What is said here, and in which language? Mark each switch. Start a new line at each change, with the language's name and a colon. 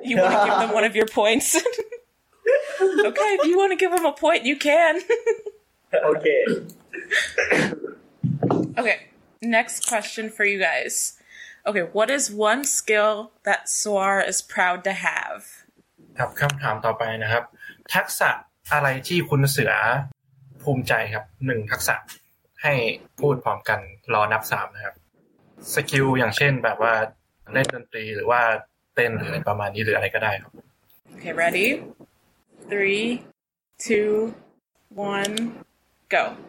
English: You want to give them one of your points? Okay, if you want to give them a point, you can. Okay. Okay. Next question for you guys. Okay, what is one skill that Suar is proud to have?
Thai: ครับ คำถามต่อไปนะครับ ทักษะอะไรที่คุณเสือภูมิใจครับ 1 ทักษะให้พูดพร้อมกันรอนับ3นะครับสกิลอย่างเช่นแบบว่าเล่นดนตรีหรือว่าเต้นอะไรประมาณนี้หรืออะไรก็ได้ครับ
English: โอเค ready 3 2 1 go